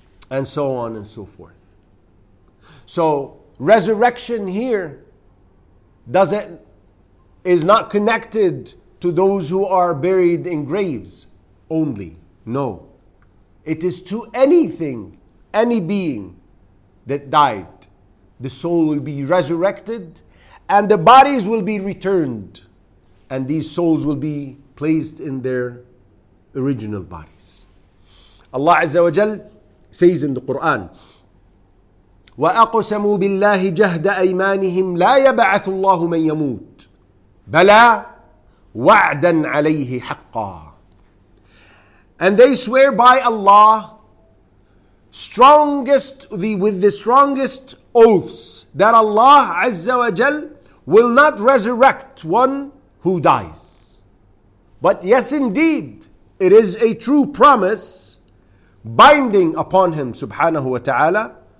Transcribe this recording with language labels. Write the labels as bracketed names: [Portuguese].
[English] And so on and so forth. So resurrection here is not connected to those who are buried in graves only. No. It is to anything, any being that died. The soul will be resurrected and the bodies will be returned. And these souls will be placed in their original bodies. Allah Azza wa Jal says in the Quran, [Arabic] وَأَقْسَمُوا بِاللَّهِ جَهْدَ أَيْمَانِهِمْ لَا يَبَعَثُ اللَّهُ مَنْ يَمُوتُ بَلَا وَعْدًا عَلَيْهِ حَقًّا. [English] And they swear by Allah, with the strongest oaths, that Allah Azza wa Jal will not resurrect one who dies. But yes, indeed, it is a true promise binding upon him, subhanahu wa ta'ala.